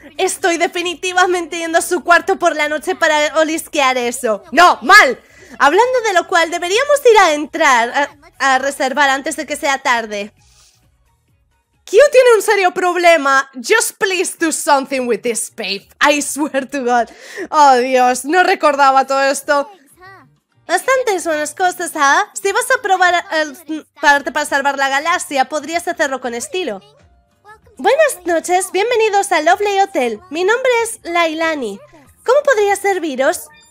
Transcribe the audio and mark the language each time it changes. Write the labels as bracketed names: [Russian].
[Spanish] Estoy definitivamente yendo a su cuarto por la noche para olisquear eso. ¡No! ¡Mal! Hablando de lo cual, deberíamos ir a entrar a reservar antes de que sea tarde. Q tiene un serio problema. [English] Just please do something with this, babe. I swear to God. [Spanish] Oh, Dios, no recordaba todo esto. Bastantes buenas cosas, ¿ah? Si vas a probar para salvar la galaxia, podrías hacerlo con estilo. Buenas noches, bienvenidos a Lovely Hotel. Mi nombre es Lailani. ¿Cómo podría serviros?